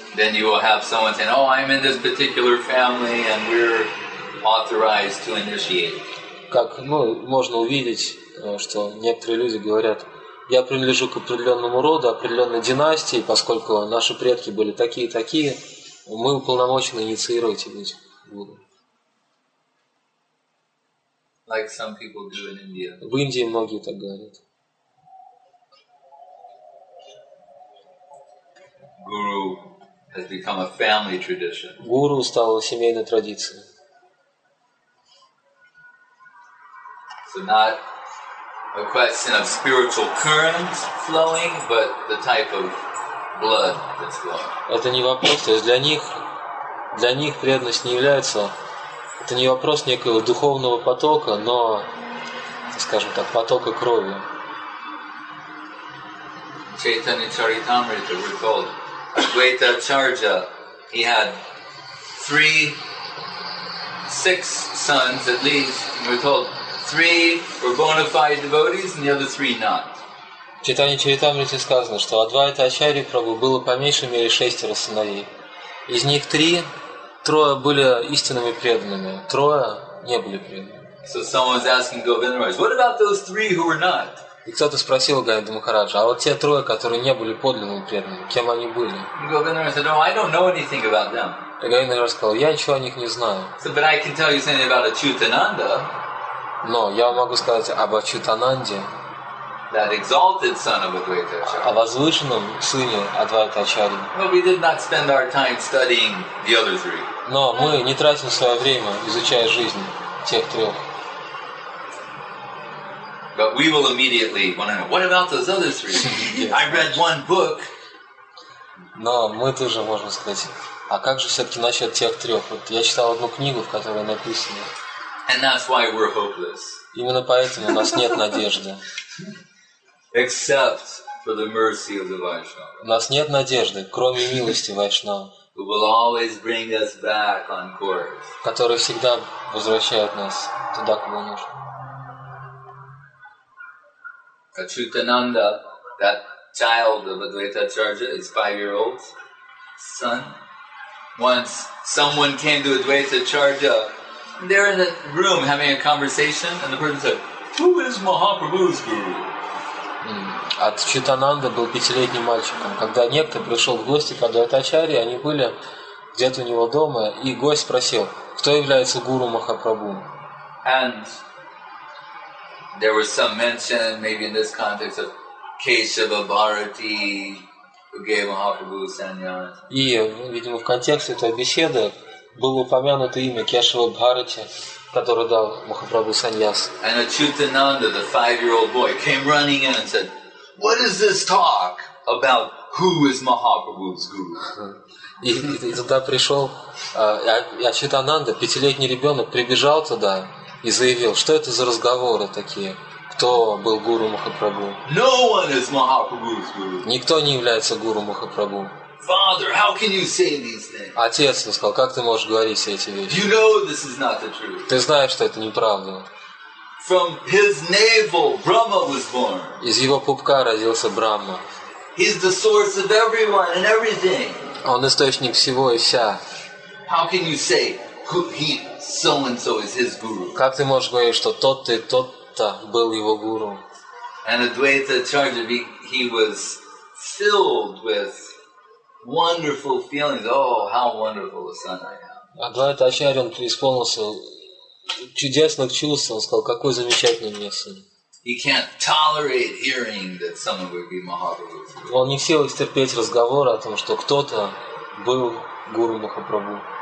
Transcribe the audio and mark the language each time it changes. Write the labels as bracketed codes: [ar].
[en] Then you will have someone saying, "Oh, I'm in this particular family, and we're authorized to initiate." [ru] Как, ну, можно увидеть, что некоторые люди говорят, я принадлежу к определенному роду, определенной династии, поскольку наши предки были такие и такие, мы уполномочены инициировать их буду. [en] Like some people do in India. [ru] В Индии многие так говорят. [en] Guru has become a family tradition. [ru] Гуру стал семейной традицией. [en] So not a question of spiritual current flowing, but the type of blood that's flowing. [ru] Это не вопрос, то есть для них преданность не является, это не вопрос некого духовного потока, но, скажем так, потока крови. [en] Chaitanya Charitamrita, we're told, Advaita Charja, he had six sons at least, we're told. Three were bona fide devotees, and the other three not. [ru] В читании Чаритамриты сказано, что Адвайта Ачарья Прабху было по меньшей мере шестеро сыновей. Из них трое были истинными преданными, трое не были преданными. [en] So someone's asking Govinda Maharaj, what about those three who were not? [ru] И кто-то спросил Говинда Махараджа, а вот те трое, которые не были подлинными преданными, кем они были? [en] Govinda Maharaj said, no, I don't know anything about them. [ru] И Говинда Махараджа сказал, я ничего о них не знаю. [en] So, but I can tell you something about Achyutananda. [ru] Но я могу сказать об Ачютананде, о возвышенном сыне Адвайта Ачарьи. Но мы не тратим свое время, изучая жизнь тех трех. [en] But we will immediately wonder, what about those other three? I read one book. [ru] Но мы тоже можем сказать, а как же все-таки насчет тех трех? Вот я читал одну книгу, в которой написано. [en] And that's why we're hopeless. [ru] Именно поэтому у нас нет надежды. [en] Except for the mercy of the Vaishnava. [ru] У нас нет надежды, кроме милости Вайшнава. [en] Who will always bring us back on course. [ru] Который всегда возвращает нас туда, куда нужно. [en] Achyutananda, that child of Advaita Acharya, his 5-year-old son. Once someone came to Advaita Acharya. They're in the room having a conversation, and the person said, "Who is Mahaprabhu's guru?" [ru] Ачютананда был 5-летним мальчиком. Когда некто пришел в гости к Адвайта Ачарье, они были где-то у него дома, и гость спросил, кто является гуру Махапрабху. [en] And there was some mention, maybe in this context, of Keshava Bharati. [ru] И, видимо, в контексте этой беседы было упомянуто имя Кешава Бхарати, который дал Махапрабху саньяс. [en] And Achyutananda, the 5-year-old boy, came running in and said, "What is this talk about? Who is Mahaprabhu's guru?" [ru] И тогда пришел Ачютананда, 5-летний ребенок, прибежал туда и заявил, что это за разговоры такие. Кто был гуру Махапрабху? [en] No one is Mahaprabhu's guru. [ru] Никто не является гуру Махапрабху. [en] Father, how can you say these things? [ru] Отец сказал, как ты можешь говорить все эти вещи? [en] You know this is not the truth. [ru] Ты знаешь, что это неправда. [en] From his navel, Brahma was born. [ru] Из его пупка родился Брахма. [en] He's the source of everyone and everything. [ru] Он источник всего и вся. [en] How can you say who he so and so is his guru? [ru] Как ты можешь говорить, что тот-то и тот-то был его гуру. [en] And Advaita Acharya, he was filled with wonderful feelings. Oh, how wonderful a son I am. [ru] Адвайта Ачарья, он преисполнился чудесных чувств. Он сказал, какой замечательный мне сын. [en] He can't tolerate hearing that someone would be Mahaprabhu. [ru] Он не в силах терпеть разговоры о том, что кто-то был гуру Махапрабху.